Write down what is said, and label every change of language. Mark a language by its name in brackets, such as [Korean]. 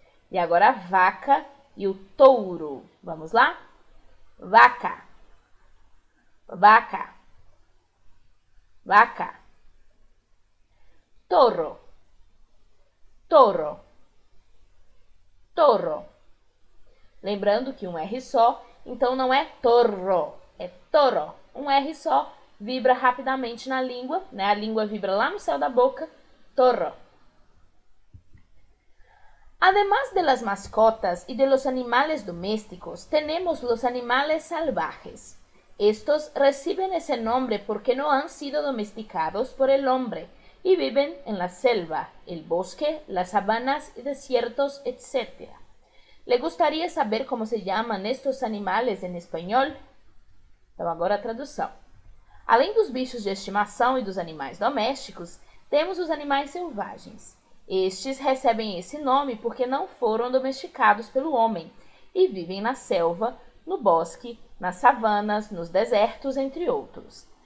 [Portuguese] E agora a vaca e o touro. Vamos lá? Vaca. Vaca. Vaca. Toro. Toro. Toro. Lembrando que um R só, então não é torro, é toro. Um R só vibra rapidamente na língua, né? A língua vibra lá no céu da boca. Toro. [Spanish] Además de las mascotas y de los animales domésticos, tenemos los animales salvajes. Estos reciben ese nombre porque no han sido domesticados por el hombre y viven en la selva, el bosque, las sabanas y desiertos, etc. ¿Le gustaría saber cómo se llaman estos animales en español? [Portuguese] Então, agora a tradução. Além dos bichos de estimação e dos animais domésticos, temos os animais selvagens. Estes recebem esse nome porque não foram domesticados pelo homem e vivem na selva, no bosque, nas savanas, nos desertos, entre outros.